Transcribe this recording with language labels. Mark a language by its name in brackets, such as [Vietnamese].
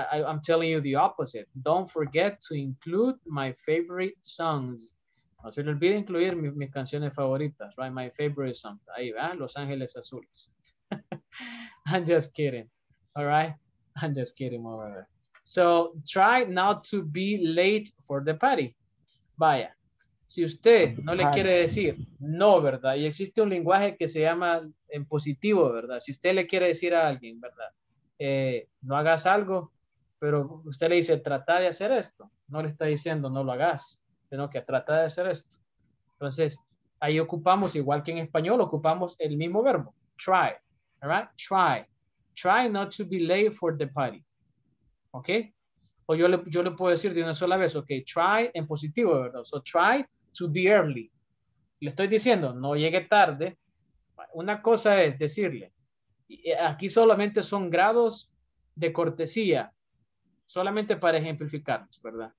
[English] I'm telling you the opposite. Don't forget to include my favorite songs. [Spanish] No se le olvide incluir mis canciones favoritas, [English] right? My favorite song. [Spanish] Ahí va, [English] Los Ángeles Azules. I'm just kidding. All right? I'm just kidding over there. So try not to be late for the party. [Spanish] Vaya. Si usted no le quiere decir no, ¿verdad? Y existe un lenguaje que se llama en positivo, ¿verdad? Si usted le quiere decir a alguien, ¿verdad? No hagas algo, pero usted le dice, trata de hacer esto. No le está diciendo, no lo hagas, sino que trata de hacer esto. Entonces, ahí ocupamos, igual que en español, ocupamos el mismo verbo. [English] Try, all right? Try. Try not to be late for the party. ¿Ok? [Spanish] O yo le puedo decir de una sola vez, ok, try en positivo, ¿verdad? [English] So try to be early. [Spanish] Le estoy diciendo, no llegue tarde. Una cosa es decirle, aquí solamente son grados de cortesía, solamente para ejemplificarnos, ¿verdad?